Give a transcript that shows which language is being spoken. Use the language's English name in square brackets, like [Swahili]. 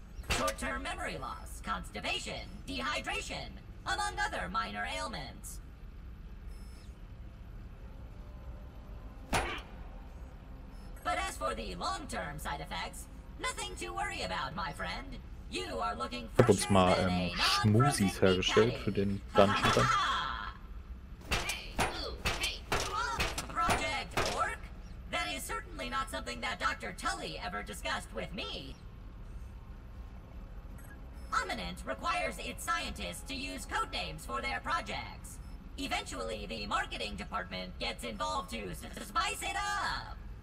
[English] Short-term memory loss, constipation, dehydration, among other minor ailments. for the long-term side effects. Nothing to worry about, my friend. You are looking for sure. [German] Ich hab uns mal Schmusis hergestellt für den Dungeon. [English] Hey, Project Orc? That is certainly not something that Dr. Tully ever discussed with me. Ominent requires its scientists to use code names for their projects. Eventually, the marketing department gets involved to spice it up.